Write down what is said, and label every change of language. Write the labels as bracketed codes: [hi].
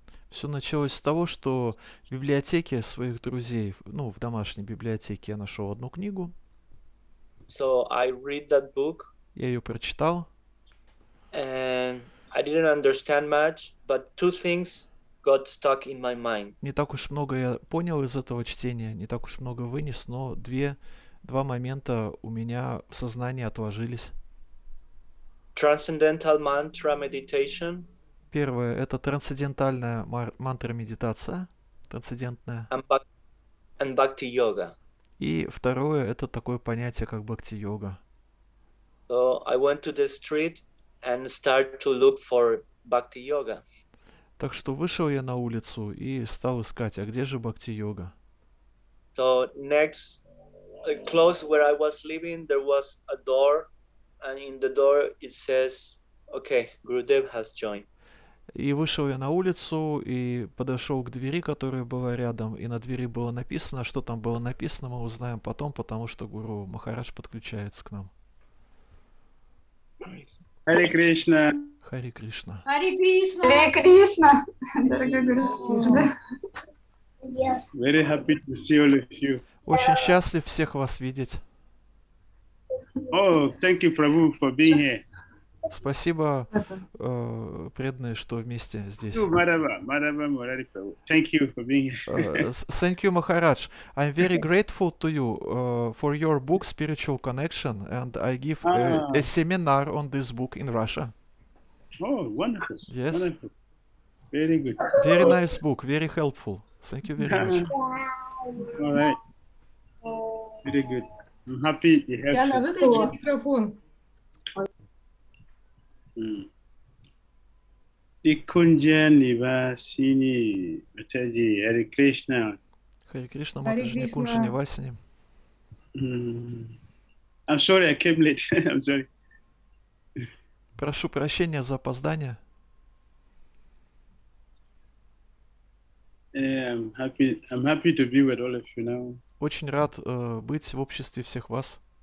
[ru] Все началось с того, что в библиотеке своих друзей, ну, в домашней библиотеке я нашел одну книгу. [en] So I read that book [ru] Я ее прочитал. [en] and I didn't understand much, but two things got stuck in my mind. [ru] Не так уж много я понял из этого чтения, не так уж много вынес, но два момента у меня в сознании отложились. [en] Transcendental mantra meditation. [ru] Первое – это трансцендентальная мантра-медитация, трансцендентная. [en] And bhakti yoga. [ru] И второе – это такое понятие, как бхакти-йога. [en] So I went to the street and start to look for bhakti yoga. [ru] Так что вышел я на улицу и стал искать, а где же бхакти-йога? [en] So next, close where I was living, there was a door, and in the door it says, "Okay, Gurudev has joined." [ru] И вышел я на улицу и подошел к двери, которая была рядом. И на двери было написано, что там было написано, мы узнаем потом, потому что Гуру Махарадж подключается к нам. [en] Hare Krishna. [ru] Хари Кришна. [en] Hare Krishna. [ru] Hare Krishna. Дорогой Гуру. [en] Very happy to see all of you. [ru] Очень счастлив всех вас видеть. [en] Oh, thank you, Prabhu, for being here. [ru] Спасибо, преданные, что вместе здесь. [en] Thank you for being here. Thank you, Maharaj. I'm very grateful to you for your book Spiritual Connection, and I give a seminar on this book in Russia. Oh, wonderful. Yes. Wonderful. Very good. Very nice book, very helpful. Thank you very much. All right. Very good. I'm happy to have Яна, you. [ru] Выключи микрофон. Никунджанивасини, Матаджи, Хари Кришна. Хари Кришна, Матаджи, Никунджанивасини. [en] I'm sorry, I came late. I'm sorry. [ru] Прошу прощения за опоздание. [en] I'm happy to be with all of you now. [ru] Очень рад быть в обществе всех вас.